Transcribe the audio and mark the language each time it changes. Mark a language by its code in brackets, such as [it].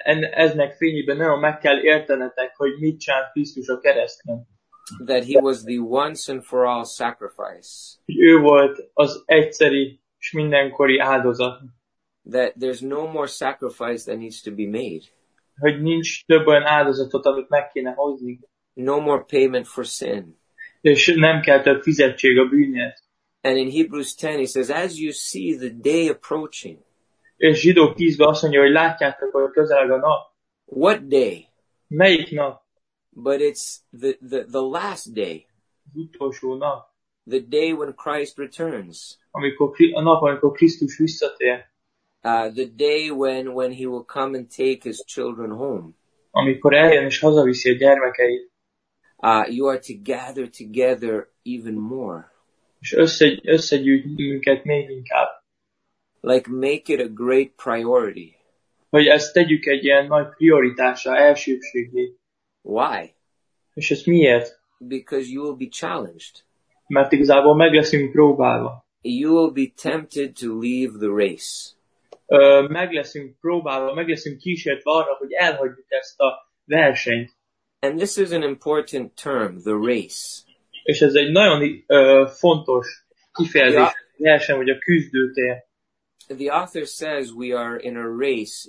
[hu] Eznek fényében nagyon meg kell értenetek, hogy mit csinált Krisztus a kereszten. [en] That he was the once and for all sacrifice. [hu] Ő volt az egyszeri és mindenkori áldozat. [en] That there's no more sacrifice that needs to be made. [hu] Hogy nincs több olyan áldozatot, amit meg kéne hozni. [en] No more payment for sin. [hu] És nem kell több fizetség a bűnért. [en] And in Hebrews 10 he says, as you see the day approaching. [hu] És Zsidók 10-ben azt mondja, hogy látjátok, hogy közeleg a nap. [en] What day? [hu] Melyik nap? [en] But it's the last day. [hu] Az utolsó nap. [en] The day when Christ returns. [hu] Amikor Krisztus visszatér. [en] The day when he will come and take his children home. [hu] Amikor eljön és hazaviszi a gyermekeit. [en] You are to gather together even more. [hu] És összegyűjtni minket még inkább. [en] Like make it a great priority. [hu] Hogy ezt tegyük egy ilyen nagy prioritásra, elsőbségé. [en] Why? [hu] És ez miért? [en] Because you will be challenged. [hu] Mert igazából meg leszünk próbálva. [en] You will be tempted to leave the race. [hu] Meg leszünk próbálva, meg leszünk kísértve arra, hogy elhagyjuk ezt a versenyt. [en] And this is an important term, the race. [hu] És ez egy nagyon fontos kifejezés, verseny, vagy a küzdőtér. [en] The author says we are in a race.